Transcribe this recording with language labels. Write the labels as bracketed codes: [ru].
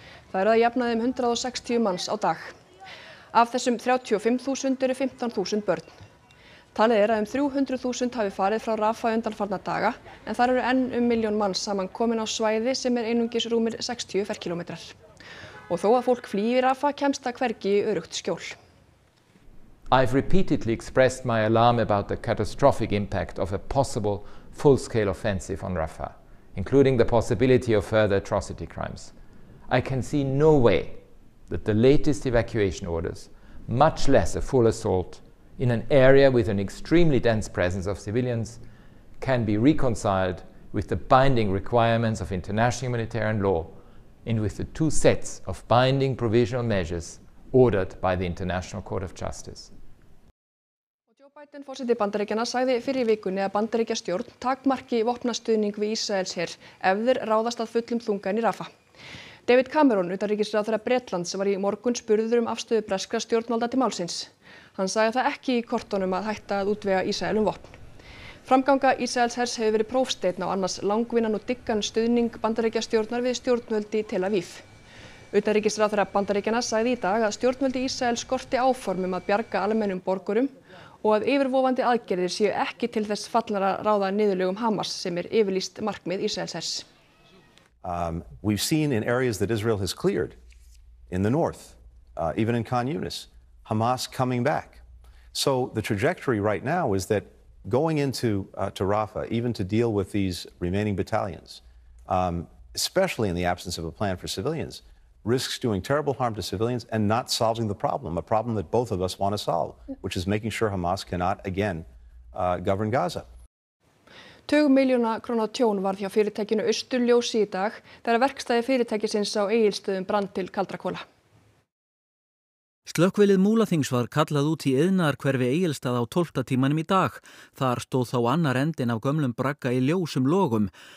[is] Það eru að jafnaði 160 manns á dag. Af þessum 35.000 eru 15.000 börn. Talið að 300.000 hafi farið frá Rafa undanfarna daga, en þar eru enn milljón manns saman komin á svæði sem einungis rúmir 60 ferkilómetrar. Og þó að fólk flýi Rafa kemst það hvergi í öruggt skjól. [en] I've repeatedly expressed my alarm about the catastrophic impact of a possible full-scale offensive on Rafah, including the possibility of further atrocity crimes. I can see no way that the latest evacuation orders, much less a full assault in an area with an extremely dense presence of civilians, can be reconciled with the binding requirements of international humanitarian law and with the two sets of binding provisional measures ordered by the International Court of Justice. [is] Biden forseti Bandaríkjanna sagði fyrir vikunni að Bandaríkjastjórn takmarki vopnastuðning við Ísraels her ef þeir ráðast að fullum þungan í Rafa. David Cameron, utanríkisráðherra Bretlands, var í morgun spurður afstöðu breskra stjórnvalda til málsins. Hann sagði það ekki í kortunum að hætta að útvega Ísraelum vopn. Framganga Ísraels hers hefur verið prófsteinn á annars langvinnan og dyggan stuðning Bandaríkjastjórnar við stjórnvöld í Tel Aviv. Utanríkisráðherra Bandaríkjanna sagði í dag að stjórnvöld í Ísraels skorti áformum að bjarga almennum borgurum og að yfirvofandi aðgerðir séu ekki til þess fallnar að ráða niðurlögum Hamas sem yfirlýst markmið Ísraelshers. [en] We've seen in areas that Israel has cleared, in the north, even in Khan Yunis, Hamas coming back. So the trajectory right now is that going into to Rafah, even to deal with these remaining battalions, especially in the absence of a plan for civilians, risks doing terrible harm to civilians and not solving the problem, a problem that both of us want to solve, which is making sure Hamas cannot again govern Gaza. [is] Tugum milljóna króna tjón varð hjá fyrirtækinu Austurljós í dag þegar verkstæði fyrirtækisins á Egilsstöðum brann til kaldra kola. Slökkviðið Múlaþings var kallað út í iðnaðar hverfi Egilsstað á 12. tímanum í dag. Þar stóð þá annar endin af gömlum bragga í ljósum logum.